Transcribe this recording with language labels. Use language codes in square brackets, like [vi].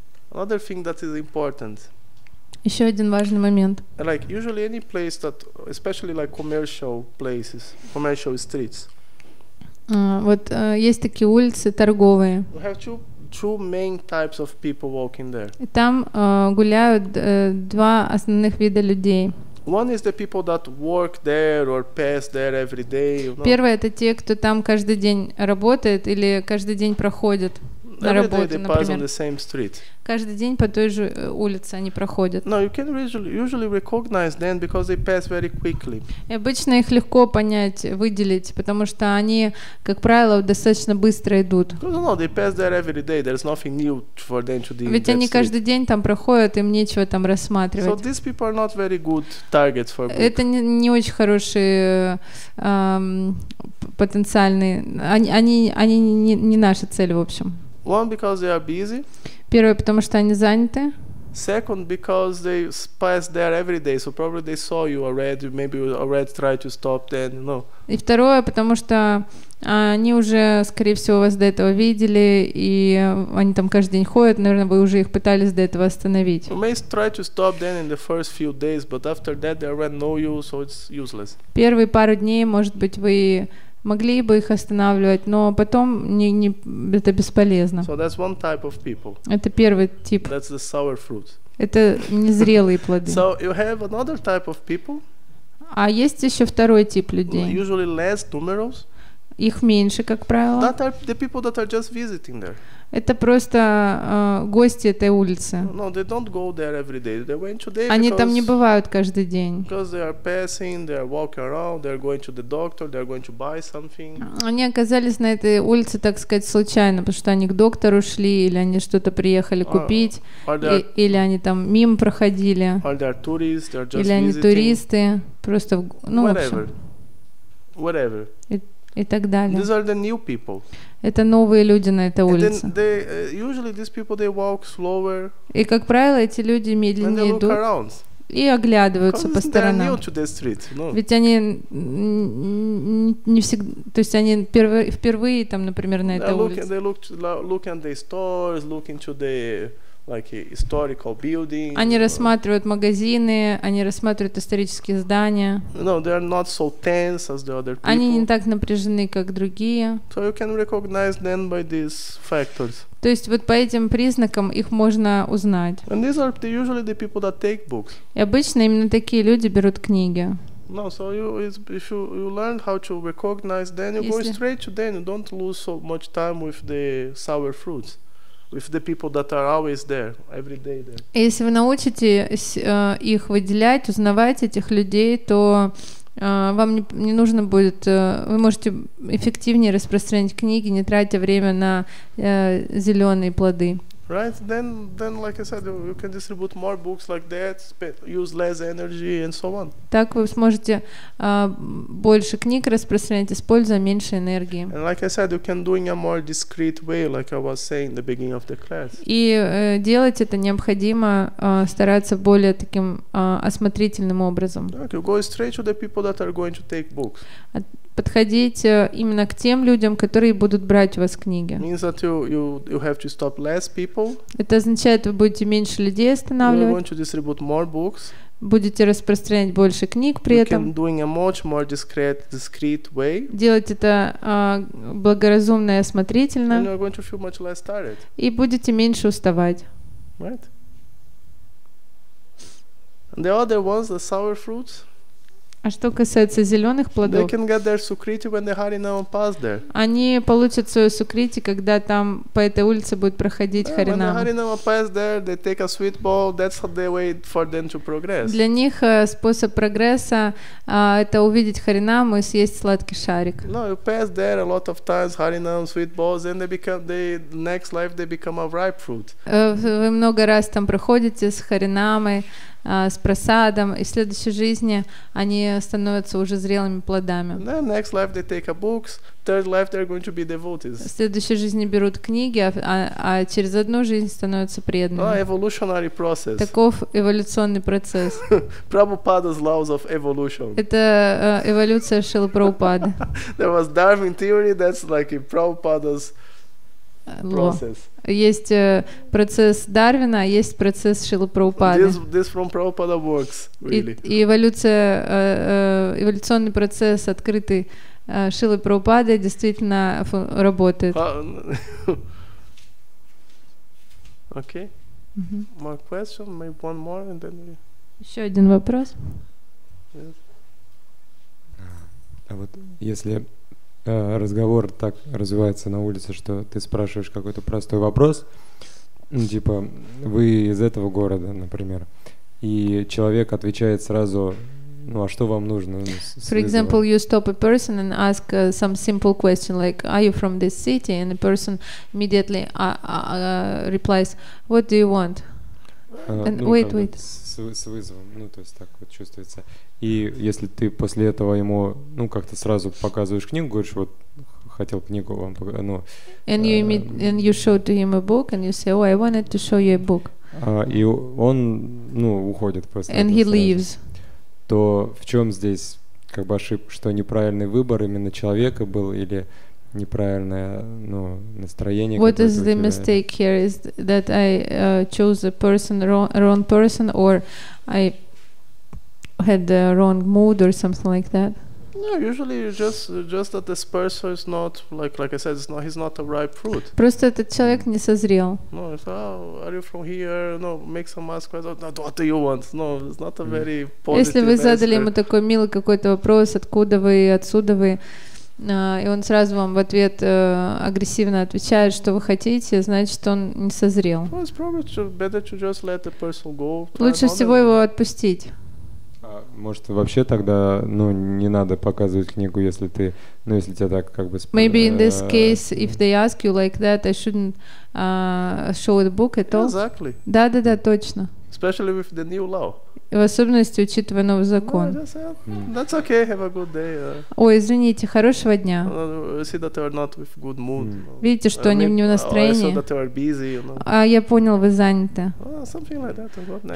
[en] Another thing that is important. [ru] Еще один важный момент. [en] Like usually any place that, especially like commercial places, commercial streets. [ru] Вот есть такие улицы торговые. [en] You have two main types of people walking there. [ru] И там гуляют два основных вида людей. [en] One is the people that work there or pass there every day. You know? [ru] Первое это те, кто там каждый день работает или каждый день проходит. На работу, например. Каждый день по той же улице они проходят. [en] No, you can usually recognize them because they pass very quickly. [ru] И обычно их легко понять, выделить, потому что они, как правило, достаточно быстро идут. [en] No, they pass there every day. There's nothing new for them to do. [ru] Ведь они каждый день там проходят, им нечего там рассматривать. [en] So these people are not very good targets for book. [ru] Это не очень хорошие потенциальные. Они не наша цель, в общем. [en] One, because they are busy. [ru] Первое, потому что они заняты. [en] Second, because they pass there every day, so probably they saw you already, maybe already tried to stop then, no. [ru] И второе, потому что они уже, скорее всего, вас до этого видели, и они там каждый день ходят, наверное, вы уже их пытались до этого остановить. [en] You may try to stop then in the first few days, but after that they already know you, so it's useless. [ru] Первые пару дней, может быть, вы могли бы их останавливать, но потом не это бесполезно. [en] So that's one type of people. [ru] Это первый тип. [en] That's the sour fruit. [ru] Это незрелые плоды. [en] So you have another type of people. [ru] А есть еще второй тип людей. [en] Usually less numerous. [ru] Их меньше, как правило. [en] That are the people that are just visiting there. [ru] Это просто гости этой улицы. [en] No, they don't go there every day. They went today. [ru] Они [en] because, [ru] там не бывают каждый день. [en] Because they are passing, they are walking around, they are going to the doctor, they are going to buy something. [ru] Они оказались на этой улице, так сказать, случайно, потому что они к доктору шли или они что-то приехали купить, или они там мимо проходили. [en] Are they tourists? They are just [ru] или [en] visiting. [ru] Они туристы, просто в, ну, [en] whatever. [ru] В общем. [en] Whatever. [ru] И так далее. [en] These are the new people. [ru] Это новые люди на этой улице. [en] They, usually these people, they walk slower. [ru] И как правило, эти люди медленнее идут [en] around. [ru] И оглядываются по сторонам. [en] Street, no. [ru] Ведь они не всегда, то есть они впервые там, например, на этой улице. [en] They look at the stores, look into the like historical buildings. [ru] Они рассматривают магазины, они рассматривают исторические здания. [en] No, they are not so tense as the other people. [ru] Они не так напряжены, как другие. [en] So you can recognize them by these factors. [ru] То есть вот по этим признакам их можно узнать. [en] And these are usually the people that take books. [ru] И обычно именно такие люди берут книги. [en] No, so if you learn how to recognize them, you go straight to them, you don't lose so much time with the sour fruits. With the people that are always there, every day there. [ru] Если вы научитесь их выделять, узнавать этих людей, то вам не нужно будет, вы можете эффективнее распространять книги, не тратя время на зеленые плоды. [en] Right? Then, like I said, you can distribute more books like that, use less energy, and so on. [ru] Так вы сможете больше книг распространять, используя меньше энергии. [en] And like I said, you can do in a more discreet way, like I was saying in the beginning of the class. [ru] И делать это необходимо, стараться более таким осмотрительным образом. [en] Like you go straight to the people that are going to take books. [ru] Подходить именно к тем людям, которые будут брать у вас книги. [en] Means that you have to stop less people. [ru] Это означает, вы будете меньше людей останавливать. [en] You want to distribute more books. [ru] Будете распространять больше книг при [en] you [ru] этом. [en] Can doing a much more discreet way. [ru] Делать это благоразумно и осмотрительно. [en] And you're going to feel much less tired. [ru] И будете меньше уставать. [en] Right? The other ones, the sour fruits. [ru] А что касается зеленых плодов? [en] They can get their sukriti when the Harinama pass there. [ru] Они получат свою сукрити, когда там по этой улице будет проходить Харинама. [en] When the Harinama pass there, they take a sweet ball. That's how they wait for them to progress. [ru] Для них способ прогресса это увидеть Харинаму и съесть сладкий шарик. [en] No, you pass there a lot of times, Harinama sweet balls, and they become the next life they become a ripe fruit. [ru] Вы много раз там проходите с Харинамой. С просадом, и в следующей жизни они становятся уже зрелыми плодами. В следующей жизни берут книги, а через одну жизнь становятся преданными. Таков эволюционный процесс. [en] Prabhupada's laws of evolution. [ru] Это эволюция Шрилы Прабхупады. [en] There was Darwin theory, that's like Prabhupada's Law. [ru] Есть процесс Дарвина, есть процесс Шрилы Прабхупады. [en] This from Prabhupada works, really. [ru] И эволюция, эволюционный процесс, открытый Шрилой Прабхупадой, действительно работает. [en] Okay. Mm-hmm. More question, maybe one more, and then we... [ru] Еще один вопрос. А вот если... разговор так развивается на улице, что ты спрашиваешь какой-то простой вопрос, ну, типа, вы из этого города, например, и человек отвечает сразу, ну, а что вам нужно? [en] For example, you stop a person and ask some simple question, like, are you from this city? And the person immediately replies, what do you want? And [ru] ну, [en] wait. [ru] С вызовом, ну, то есть так вот чувствуется. И если ты после этого ему, ну, как-то сразу показываешь книгу, говоришь, вот, хотел книгу вам показать, ну... [en] And you show to him a book, and you say, oh, I wanted to show you a book. [ru] И он, ну, уходит просто. [en] And he leaves. [ru] То в чем здесь, как бы, ошибка, что неправильный выбор именно человека был, или неправильное, ну, настроение? [en] What is the mistake here? Is that I chose a person, wrong person, or I... had the wrong mood or something like that? No, usually just that this person is not like I said, he's not a ripe fruit. [ru] Просто этот человек не созрел. [en] No, it's, oh, are you from here? No, make some ask questions. No, what do you want? No, it's not a very positive. [ru] Если вы задали [en] answer. [ru] Ему такой милый какой-то вопрос, откуда вы, отсюда вы, и он сразу вам в ответ агрессивно отвечает, что вы хотите, значит, он не созрел. [en] Well, it's probably better to just let the person go. [ru] Лучше всего его отпустить. Может, вообще тогда, ну, не надо показывать книгу, если ты, ну, если тебя так как бы... [en] Maybe in this case, if they ask you like that, I shouldn't show the book at all. Exactly. [ru] Да-да-да, точно. [en] Especially with the new law. [ru] В особенности, учитывая новый закон. [en] That's okay, have a good day. [ru] Ой, извините, хорошего дня. [en] See that you're not with good mood. [ru] Видите, что они не в настроении. [en] I saw that you're busy, you know. [ru] А я понял, вы заняты. [en] Something like that.